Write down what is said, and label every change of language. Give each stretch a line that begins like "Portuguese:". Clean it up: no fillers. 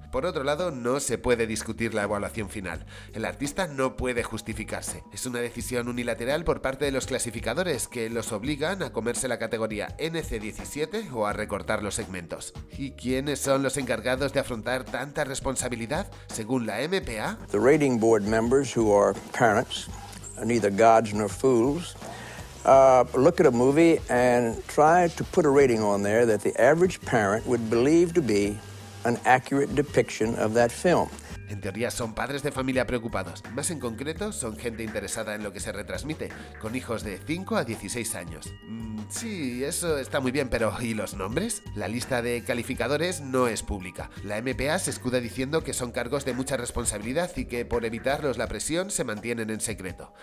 Spanish: Por otro lado, no se puede discutir la evaluación final. El artista no puede justificarse. Es una decisión unilateral por parte de los clasificadores que los obligan a comerse la categoría NC-17 o a recortar los segmentos. ¿Y quiénes son los encargados de afrontar tanta responsabilidad? Según la MPA,
English: the rating board members who are parents, neither gods nor fools, look at a movie and try to put a rating on there that the average parent would believe to be an accurate depiction of that film.
Spanish: En teoría son padres de familia preocupados. Más en concreto, son gente interesada en lo que se retransmite, con hijos de 5 a 16 años. Sí, eso está muy bien, pero ¿y los nombres? La lista de calificadores no es pública. La MPA se escuda diciendo que son cargos de mucha responsabilidad y que por evitarlos la presión se mantienen en secreto.